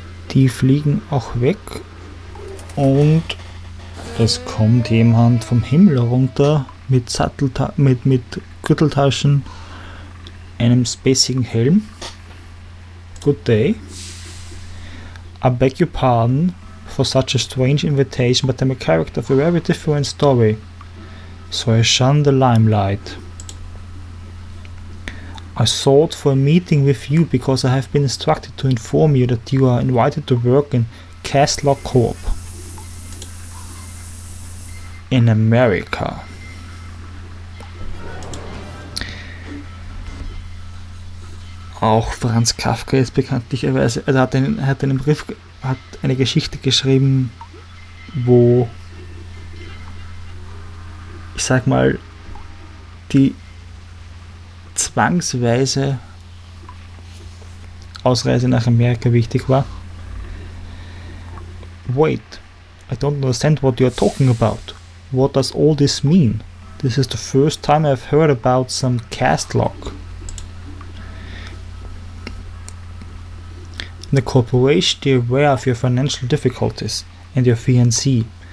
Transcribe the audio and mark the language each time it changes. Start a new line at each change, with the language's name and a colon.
German: Die fliegen auch weg und es kommt jemand vom Himmel runter mit Sattel, mit Gürteltaschen, einem spässigen Helm.
English: Good day. I beg your pardon for such a strange invitation, but I'm a character of a very different story. So I shun the limelight. I sought for a meeting with you because I have been instructed to inform you that you are invited to work in Castlock Corp. In America.
German: Auch Franz Kafka ist bekanntlicherweise, er hat einen Brief, hat eine Geschichte geschrieben, wo, ich sag mal, die zwangsweise Ausreise nach Amerika wichtig war.
English: Wait, I don't understand what you're talking about. What does all this mean? This is the first time I've heard about some Castlock. In the corporation, they're aware of your financial difficulties and your fiancée.